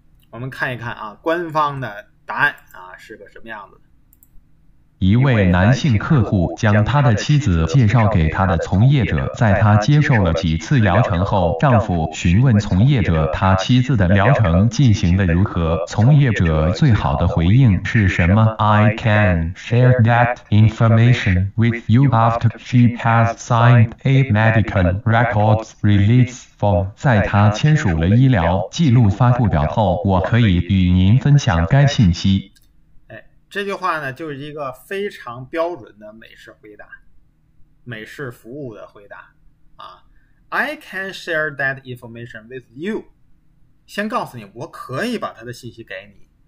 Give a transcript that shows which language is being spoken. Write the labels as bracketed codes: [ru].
[zh] 我们看一看啊，官方的答案啊是个什么样子的。一位男性客户将他的妻子介绍给他的从业者，在他接受了几次疗程后，丈夫询问从业者他妻子的疗程进行得如何，从业者最好的回应是什么？ [en] I can share that information with you after she has signed a medical records release form. [zh] 在他签署了医疗记录发布表后，我可以与您分享该信息。这句话呢，就是一个非常标准的美式回答，美式服务的回答啊。 [en] I can share that information with you. [zh] 先告诉你，我可以把他的信息给你。